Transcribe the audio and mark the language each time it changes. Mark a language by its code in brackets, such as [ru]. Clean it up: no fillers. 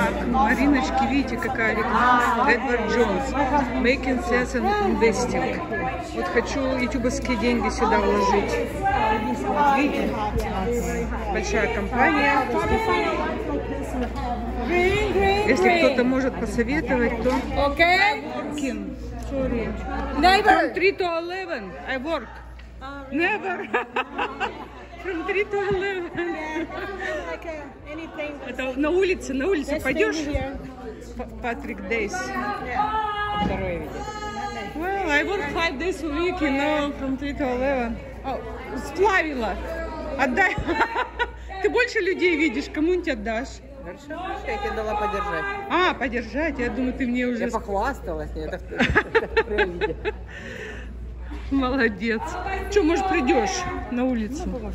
[ru] Мариночки, видите, какая реклама? Эдвард Джонс. [en] Making sense and investing. [ru] Вот хочу ютубовские деньги сюда вложить. Вот видите? Большая компания. Если кто-то может посоветовать, то... [en] Okay. I'm working. Sorry. Never. From 3 to 11. I work. Never. From 3 to 11. [ru] Это на улице пойдешь? Патрик Дейс. Второе видео. [en] Well, I work 5 days a week, you know, from 3 to 11. [ru] Oh, сплавила. Отдай. Ты больше людей видишь, кому-нибудь отдашь. Хорошо, я тебе дала подержать. А, подержать, я думаю, ты мне уже... Я похвасталась, нет. Молодец. Что, может, придешь на улицу?